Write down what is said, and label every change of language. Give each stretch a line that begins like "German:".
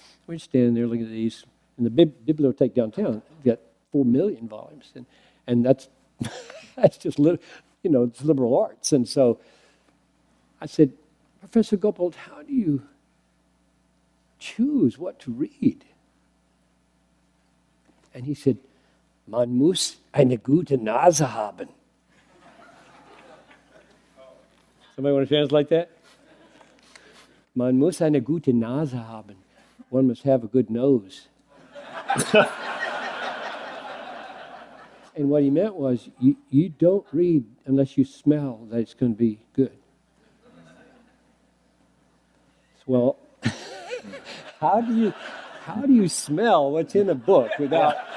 English: We're standing there looking at these, and the bibliothèque downtown got 4 million volumes, and that's that's just, you know, it's liberal arts. And so I said, Professor Goppelt, how do you choose what to read?
German: And he said, man muss eine gute Nase haben.
English: Somebody want to translate that?
German: Man muss eine gute Nase haben.
English: One must have a good nose. And what he meant was, you don't read unless you smell that it's going to be good. Well, how do you smell what's in a book without?